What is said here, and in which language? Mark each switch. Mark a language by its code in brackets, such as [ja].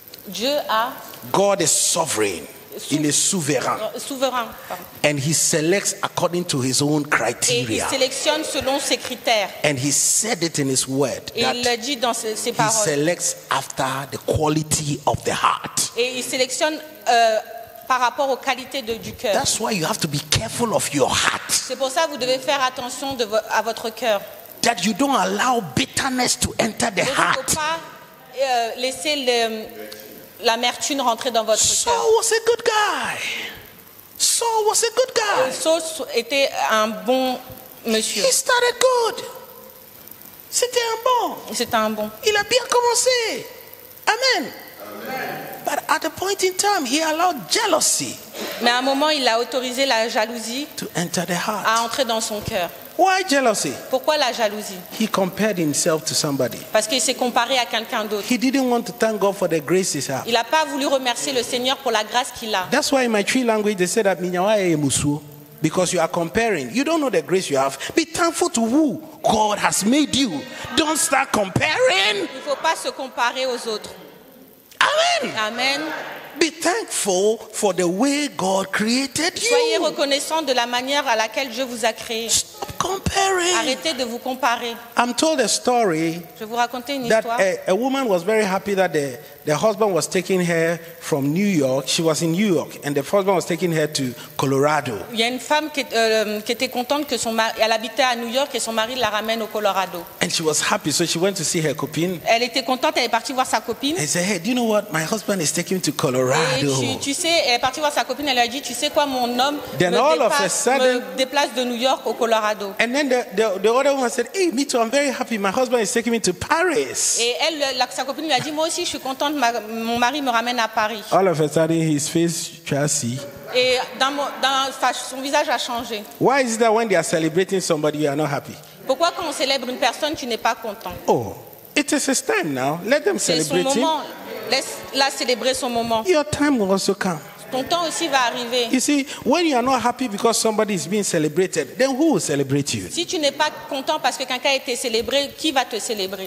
[fr] Dieu a. [en] God is sovereign. [fr] Il est souverain. Souverain. [en] And he selects according to his own criteria. [fr] Et il sélectionne selon ses critères. [en] And he said it in his word. [fr] Et il l'a dit dans ses paroles. [en] He selects after the quality of the heart. [fr] Et il sélectionne par rapport aux qualités du cœur. [en] That's why you have to be careful of your heart. [fr] C'est pour ça que vous devez faire attention à votre cœur. [en] That you don't allow bitterness to enter the heart. [fr] Ne pas laisser l'amertume rentrer dans votre cœur. [en] Saul was a good guy. Saul was a good guy. [fr] Saul était un bon monsieur. [en] He started good. [fr] C'était un bon. C'était un bon. Il a bien commencé. Amen. Amen. [en] But at a point in time, he allowed jealousy. [fr] Mais à un moment, il a autorisé la jalousie [en] to enter the heart. [fr] À entrer dans son cœur. [en] Why jealousy? [fr] Pourquoi la jalousie? [en] He compared himself to somebody. [fr] Parce qu'il s'est comparé à quelqu'un d'autre. [en] He didn't want to thank God for the grace he had. [fr] Il a pas voulu remercier le Seigneur pour la grâce qu'il a. [en] That's why in my tree language they say that minyawa e musu, because you are comparing. You don't know the grace you have. Be thankful to who God has made you. Don't start comparing. [fr] Il faut pas se comparer aux autres. Amen. Amen. [en] Be thankful for the way God created you. [fr] Soyez reconnaissant de la manière à laquelle Dieu vous a créé. [en] Stop comparing. [fr] Arrêtez de vous comparer. [en] I'm told a story. [fr] Je vous racontais une [en] that [fr] histoire. [en] A woman was very happy that the husband was taking her from New York. She was in New York, and the husband was taking her to Colorado. [fr] Il y a une femme qui était contente que son mari, elle habitait à New York et son mari la ramène au Colorado. [en] And she was happy, so she went to see her copine. [fr] Elle était contente, elle est partie voir sa copine. [en] And said, "Hey, do you know what? My husband is taking me to Colorado." [fr] Et tu sais, elle est partie voir sa copine. Elle a dit, "Tu sais quoi, mon homme [en] then [fr] me, [en] all [fr] dépasse, [en] of a sudden, [fr] me déplace de New York au Colorado." [en] And then the other woman said, "Hey, me too. I'm very happy. My husband is taking me to Paris." [fr] Et elle, sa copine lui a dit, "Moi aussi, je suis contente. Mon mari me ramène à Paris." [en] All of a sudden, his face chassis. [fr] Et son visage a changé. [en] Why is it that when they are celebrating somebody, you are not happy? [fr] Pourquoi quand on célèbre une personne, tu n'es pas content? [en] Oh, it is his time now. Let them celebrate him. [fr] C'est son moment. Laisse-la célébrer son moment. [en] Your time will also come. [fr] Ton temps aussi va arriver. [en] You see, when you are not happy because somebody is being celebrated, then who will celebrate you? [fr] Si tu n'es pas content parce que quelqu'un a été célébré, qui va te célébrer?